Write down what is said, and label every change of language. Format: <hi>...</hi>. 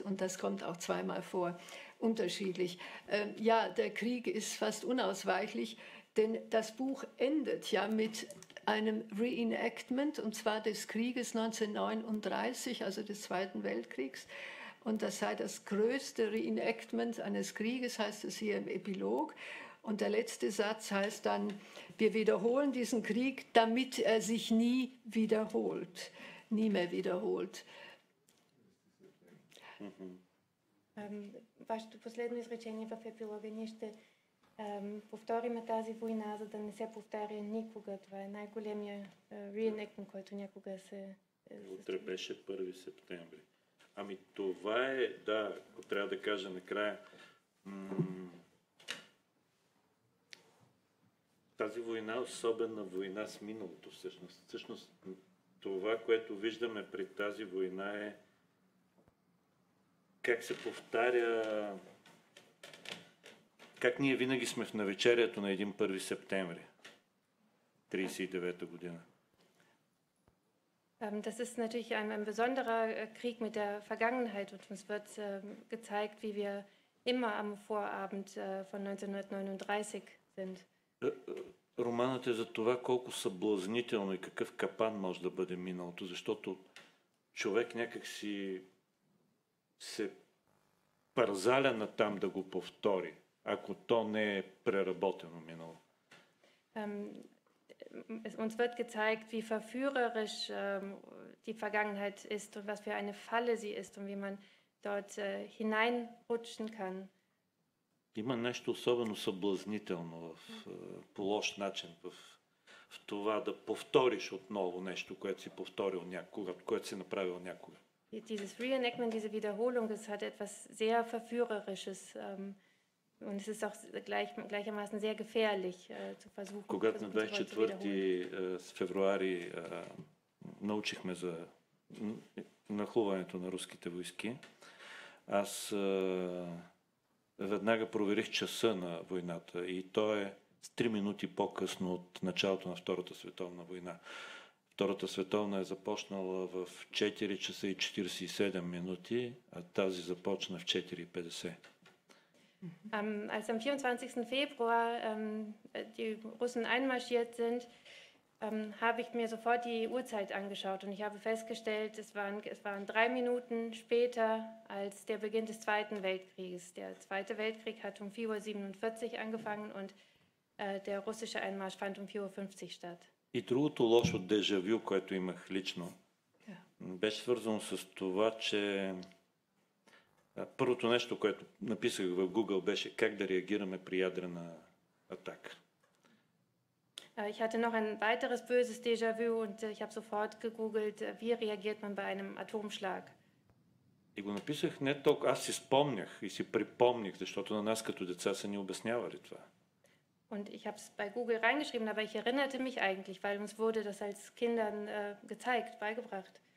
<de>Und das kommt auch zweimal vor, unterschiedlich. Ja, der Krieg ist fast unausweichlich, denn das Buch endet ja mit einem Reenactment, und zwar des Krieges 1939, also des Zweiten Weltkriegs. Und das sei das größte Reenactment eines Krieges, heißt es hier im Epilog. Und der letzte Satz heißt dann, wir wiederholen diesen Krieg, damit er sich nie wiederholt. Nie mehr wiederholt.</de> <bg>Ваше последно изречение в епилога, ние ще повторим тази война, за да не се повтаря никога. Това е най-големия реенактмент, който някога се... Утре беше 1 септември. Ами това е, да, ако трябва да кажа накрая, тази война е особена война с миналото всъщност. Всъщност това, което виждаме при тази война, е как се повтаря, как ние винаги сме в навечерието на един 1 септември 1939 година.</bg> <de>Das ist natürlich ein besonderer Krieg mit der Vergangenheit und uns wird gezeigt, wie wir immer am Vorabend von 1939 sind.</de> <bg>Romanът е за това колко съблазнително и какъв капан може да бъде миналото, защото човек някак си се парзаля на там да го повтори, ако то не е преработено минало.</bg> <de>Uns wird gezeigt, wie verführerisch die Vergangenheit ist und was für eine Falle sie ist und wie man dort hineinrutschen kann. Има нещо особено съблазнително по лош начин в това да повториш отново нещо, което си повторил някога, което си направил някога. Dieses Reenactment, diese Wiederholung, es hat etwas sehr Verführerisches. Und es ist auch gleichermaßen sehr gefährlich zu versuchen.</de> <bg>Когато на 24 февруари научихме за нахлуването на руските войски, аз веднага проверих часа на войната и то е 3 минути по-късно от началото на Втората световна война. Втората световна е започнала в 4 часа и 47 минути, а тази започна в 4:50.</bg> <de>Als am 24. Februar die Russen einmarschiert sind, habe ich mir sofort die Uhrzeit angeschaut und ich habe festgestellt, es waren 3 Minuten später als der Beginn des Zweiten Weltkrieges. Der Zweite Weltkrieg hat um 4.47 Uhr angefangen und der russische Einmarsch fand um 4.50 Uhr statt.</de> <bg>И другото лошо дежавю, което имах лично, беше свързано с това, че първото нещо, което написах в Google, беше как да реагираме при ядрена атака.</bg> <de>Ich hatte noch ein weiteres böses Déjà-vu und ich habe sofort gegoogelt, wie reagiert man bei einem Atomschlag.</de> <bg>И го написах не толкова, аз си спомнях и си припомних, защото на нас като деца са ни обяснявали това.</bg> <de>Und ich habe es bei Google reingeschrieben, aber ich erinnerte mich eigentlich, weil uns wurde das als Kindern gezeigt, beigebracht.</de>